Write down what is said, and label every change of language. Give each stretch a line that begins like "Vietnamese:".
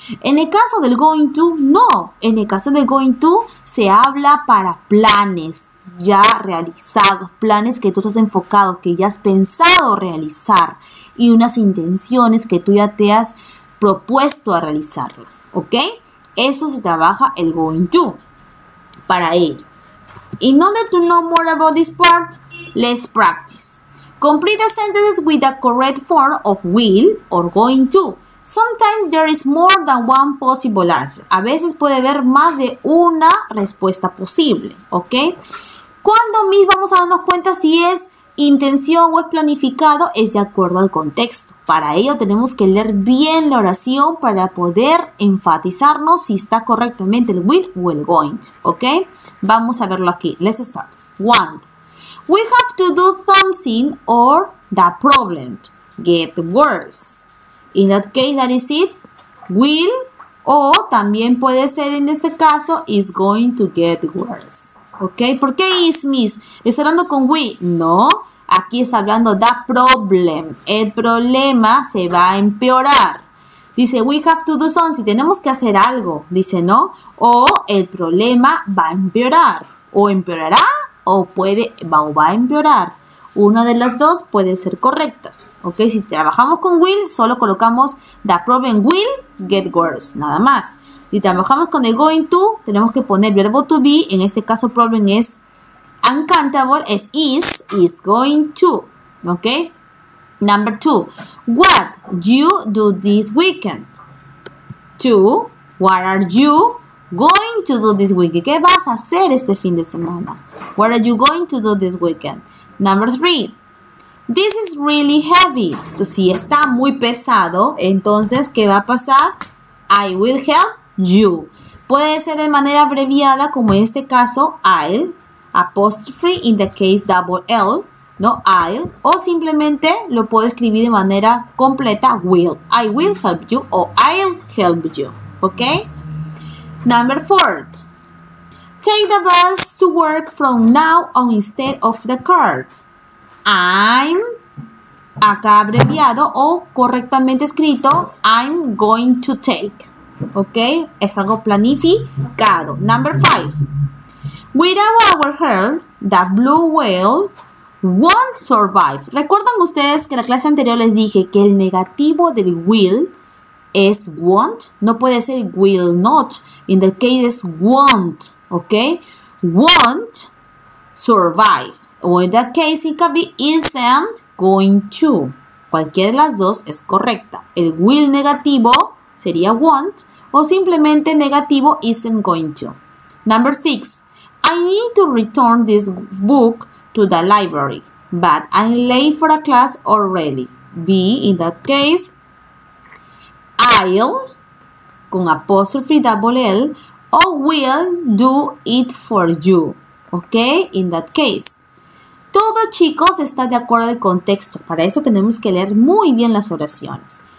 Spanish: En el caso del going to, no. En el caso del going to, se habla para planes ya realizados, planes que tú estás enfocado, que ya has pensado realizar, y unas intenciones que tú ya te has propuesto a realizarlas, ¿ok? Eso se trabaja el going to para ello.
English: In order to know more about this part, let's practice. Complete the sentences with the correct form of will or going to. Sometimes there is more than one possible answer.
Spanish: A veces puede haber más de una respuesta posible, ¿ok? ¿Cuándo mismo vamos a darnos cuenta si es intención o es planificado? Es de acuerdo al contexto. Para ello tenemos que leer bien la oración para poder enfatizarnos si está correctamente el will o el going to, ¿ok? Vamos a verlo aquí.
English: Let's start. One. We have to do something or the problem get worse. In that case, that is it.
Spanish: Will o también puede ser en este caso
English: is going to get worse.
Spanish: ¿Ok? ¿Por qué is, miss? ¿Está hablando con we? No. Aquí está hablando
English: the problem.
Spanish: El problema se va a empeorar. Dice,
English: we have to do something.
Spanish: Si tenemos que hacer algo. Dice, no. O el problema va a empeorar. O empeorará o puede o va a empeorar. Una de las dos puede ser correctas. ¿Ok? Si trabajamos con will, solo colocamos
English: the problem will get worse.
Spanish: Nada más. Si trabajamos con el going to, tenemos que poner el verbo to be. En este caso, problem es uncountable. Es is going to. ¿Ok?
English: Number two, what you do this weekend? Two, what are you going to do this weekend?
Spanish: ¿Qué vas a hacer este fin de semana?
English: What are you going to do this weekend? Number three, this is really heavy.
Spanish: Entonces, si está muy pesado, entonces, ¿qué va a pasar?
English: I will help you.
Spanish: Puede ser de manera abreviada, como en este caso,
English: I'll, apostrophe in the case double L.
Spanish: No, I'll, o simplemente lo puedo escribir de manera completa, will.
English: I will help you, o I'll help you, ¿ok? Number four. Take the bus to work from now on instead of the cart. I'm,
Spanish: acá abreviado, o correctamente escrito,
English: I'm going to take, ¿ok?
Spanish: Es algo planificado.
English: Number five. Without our help, the blue whale won't survive.
Spanish: ¿Recuerdan ustedes que en la clase anterior les dije que el negativo del will es won't? No puede ser will not.
English: In the case is won't, ¿ok? Won't survive. Or in that case, it can be isn't going to.
Spanish: Cualquiera de las dos es correcta. El will negativo sería won't o simplemente negativo isn't going to.
English: Number six. I need to return this book to the library, but I'm late for a class already. B, in that case, I'll, con apostrophe double L, or will do it for you. Ok, in that case.
Spanish: Todo, chicos, está de acuerdo al contexto. Para eso tenemos que leer muy bien las oraciones.